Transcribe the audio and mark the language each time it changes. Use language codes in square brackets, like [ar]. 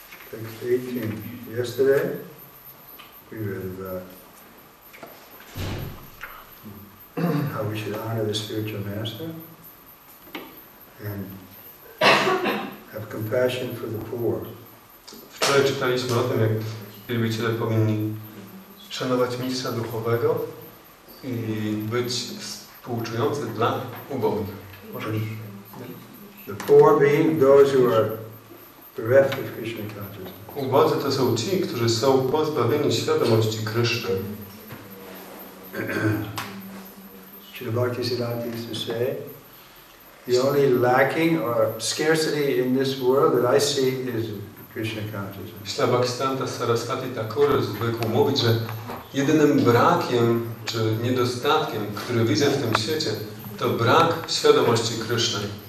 [en] Text 18. Yesterday, we read about how we should honor the spiritual master and have compassion for the poor. [pl] Wczoraj czytaliśmy o tym, jak wielbiciele powinni szanować mistrza duchowego i być współczujący dla ubogich. [en] The poor being those who are bereft of Krishna consciousness. [pl] Ubodzy to są ci, którzy są pozbawieni świadomości Kryszny. [en] Śrīmad-Bhāgavatam used to say, the only lacking or scarcity in this world that I see is Krishna consciousness. [pl] Śrīmad-Bhāgavatam Sarasvati Thakur zwykł mówić, że jedynym brakiem czy niedostatkiem, który widzę w tym świecie, to brak świadomości Krishna.